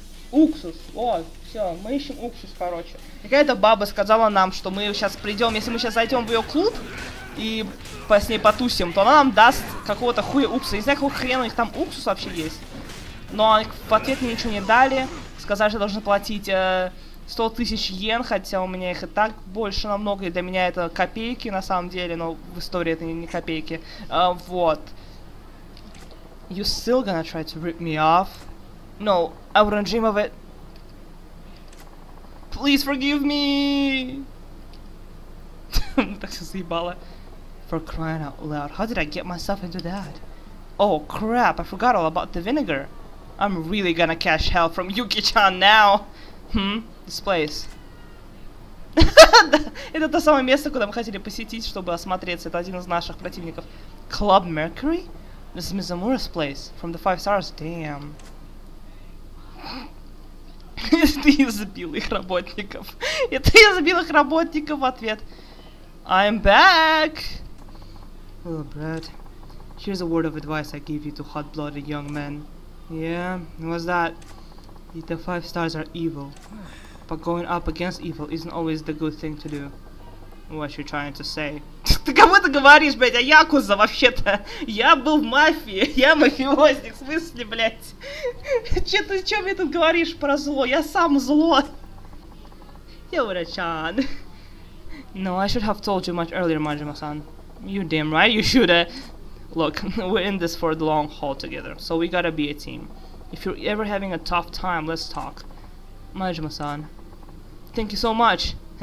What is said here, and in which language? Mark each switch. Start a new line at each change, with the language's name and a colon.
Russian: Уксус, о, все, мы ищем уксус, короче. Какая-то баба сказала нам, что мы сейчас придем, если мы сейчас зайдем в ее клуб, и с ней потусим, то она нам даст какого-то хуя уксуса. Не знаю, какого хрена у них там уксус вообще есть. Но в ответ мне ничего не дали. Сказали, что я должен платить 100 тысяч йен, хотя у меня их и так больше намного. И для меня это копейки на самом деле, но в истории это не копейки. Вот.
English: You still gonna try to rip me off? No, I wouldn't dream of it. Please forgive me!
Russian: Так все заебало.
English: For crying out loud, how did I get myself into that? Oh crap, I forgot all about the vinegar. I'm really gonna catch hell from Yuki-chan now. This place.
Russian: Это то самое место, куда мы хотели посетить, чтобы осмотреться. Это один из наших противников.
English: Club Mercury? This is Mizumura's place from the Five Stars. Damn.
Russian: Ты избил их работников. Это ты избил их работников в ответ.
English: I'm back! Little brat, here's a word of advice I give you to hot-blooded young men. Yeah, what's that? The five stars are evil, but going up against evil isn't always the good thing to do. What you're trying to say?
Russian: Ты кому это говоришь, блядь, о Якуза вообще-то? Я был в мафии, я мафиозник, в смысле, блядь? Че мне тут говоришь про зло? Я сам зло. Йоура-чан.
English: No, I should have told you much earlier, Majima-san. You damn right, you should. Look, we're in this for the long haul together, so we gotta be a team. If you're ever having a tough time, let's talk. Majima-san. Thank you so much.